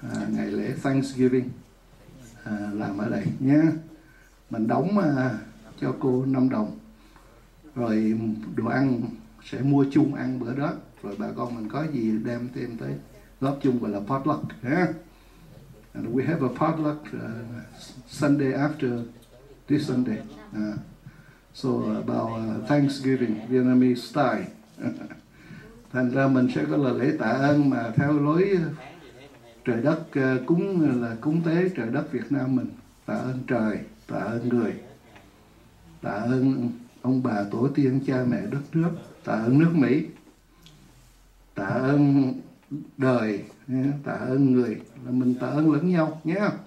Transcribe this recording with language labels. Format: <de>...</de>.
<vi>Ngày lễ Thanksgiving làm ở đây nhé. Mình đóng cho cô 5 đồng. Rồi đồ ăn sẽ mua chung ăn bữa đó. Rồi bà con mình có gì đem thêm tới góp chung, gọi là potluck nhé.</vi> <en>And we have a potluck Sunday after this Sunday. So about Thanksgiving, Vietnamese style.</en> <vi>Thành ra mình sẽ có là lễ tạ ơn mà theo lối trời đất cúng, là cúng tế trời đất Việt Nam mình. Tạ ơn trời, tạ ơn người, tạ ơn ông bà tổ tiên cha mẹ đất nước, tạ ơn nước Mỹ, tạ ơn đời, tạ ơn người, là mình tạ ơn lẫn nhau nhé.</vi>